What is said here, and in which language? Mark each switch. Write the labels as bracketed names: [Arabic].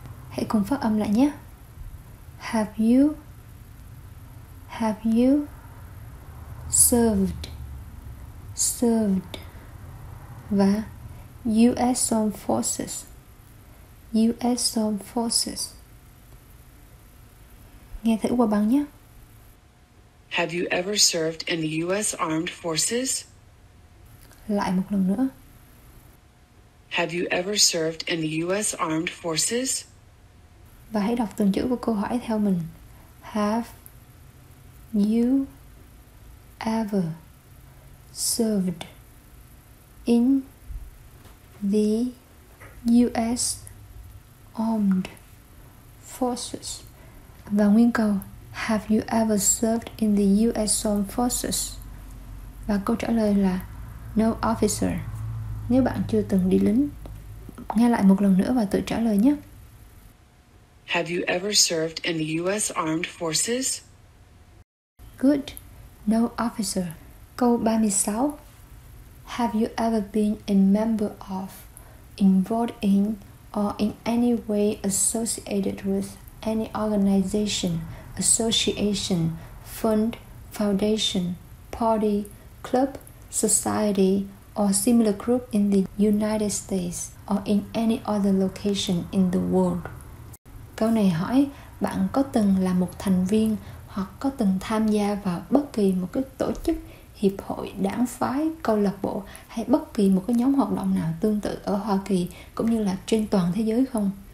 [Vietnamese] Hãy cùng phát âm lại nhé. [English] Have you served và US Armed Forces. [Vietnamese] Nghe thử qua băng nhé. [English] Have you ever served in the U.S. Armed Forces? [Vietnamese] Lại một lần nữa. [English] Have you ever served in the U.S. Armed Forces? [Vietnamese] Và hãy đọc từng chữ của câu hỏi theo mình. [English] Have you ever served in the U.S. Armed Forces. [Vietnamese] Và nguyên câu, [English] have you ever served in the U.S. Armed Forces? [Vietnamese] Và câu trả lời là, [English] no officer. [Vietnamese] Nếu bạn chưa từng đi lính, nghe lại một lần nữa và tự trả lời nhé. [English] Have you ever served in the U.S. Armed Forces? Good. No officer. [Vietnamese] Câu 36. [English] Have you ever been a member of, involved in, or in any way associated with any organization, association, fund, foundation, party, club, society, or similar group in the United States or in any other location in the world? [Vietnamese] Câu này hỏi bạn có từng là một thành viên hoặc có từng tham gia vào bất kỳ một cái tổ chức, hiệp hội, đảng phái, câu lạc bộ hay bất kỳ một cái nhóm hoạt động nào tương tự ở Hoa Kỳ cũng như là trên toàn thế giới không?